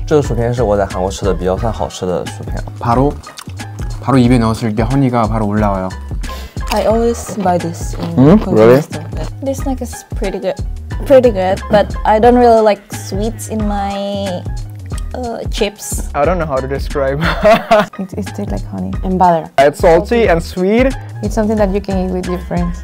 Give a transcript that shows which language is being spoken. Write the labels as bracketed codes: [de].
[zh] 这个薯片是我在韩国吃的比较算好吃的薯片。 [ko] 바로 입에 넣었을 때 허니가 바로 올라와요. [en] I always buy this in convenience store. This snack is pretty good, but I don't really like sweets in my chips. I don't know how to describe. It tastes like honey and butter. It's salty and sweet. It's something that you can eat with your friends.